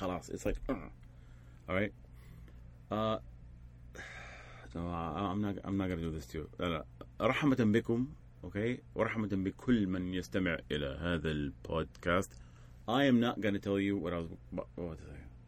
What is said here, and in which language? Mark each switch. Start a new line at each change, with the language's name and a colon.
Arabic: خلاص
English: it's like alright No, I'm not gonna do this to you.
Arabic: رحمة بكم,
English: okay?
Arabic: ورحمة بكل من يستمع إلى هذا البودكاست.
English: I am not gonna tell you what I was about to say.